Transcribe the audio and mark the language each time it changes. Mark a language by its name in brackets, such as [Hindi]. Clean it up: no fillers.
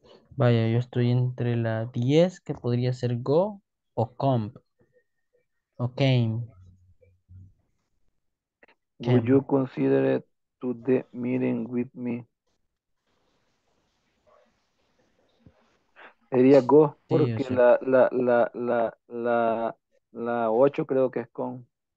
[Spanish] Vaya, yo estoy entre la 10, que podría ser go o comp o came. [English] Would you consider to the meeting with me? [Spanish] Sería go, porque sí, la 8 creo que es con.